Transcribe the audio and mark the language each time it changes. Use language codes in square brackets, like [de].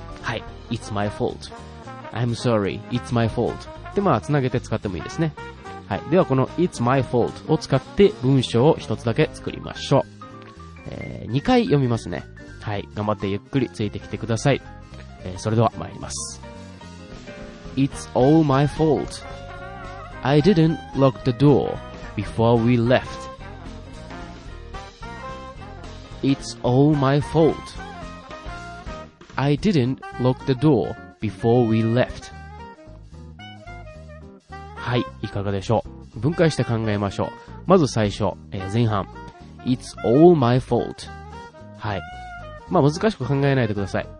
[ja] はい。 [en] It's my fault、 I'm sorry、 It's my fault [ja] って、まあ、つなげて使ってもいいですね。はい。ではこの [en] It's my fault [ja] を使って文章を一つだけ作りましょう。2回読みますね。はい。頑張ってゆっくりついてきてください。それでは参ります。 [en] It's all my fault I didn't lock the door before we left. It's all my fault I didn't lock the door before we left。 [ja] はい、いかがでしょう。分解して考えましょう。まず最初、前半 [en] It's all my fault。 [ja] はい。まあ難しく考えないでください。